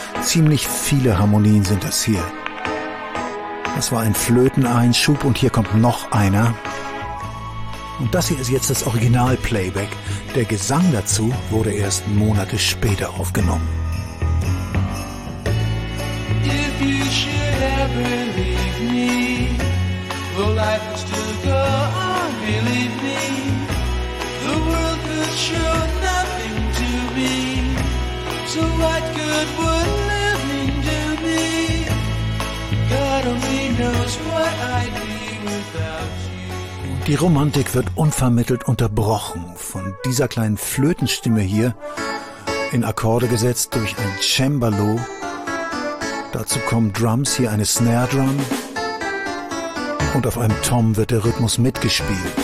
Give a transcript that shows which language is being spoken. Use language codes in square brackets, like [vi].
[de] Ziemlich viele Harmonien sind das hier. Das war ein Flöteneinschub und hier kommt noch einer. Und das hier ist jetzt das Original-Playback. Der Gesang dazu wurde erst Monate später aufgenommen. [en] If you should ever leave me, will life would still go on, believe me. The world could show nothing to me. So what good would living do me? God only knows what I'd be without you. [de] Die Romantik wird unvermittelt unterbrochen von dieser kleinen Flötenstimme hier, in Akkorde gesetzt durch ein Cembalo. Dazu kommen Drums, hier eine Snare Drum. Und auf einem Tom wird der Rhythmus mitgespielt.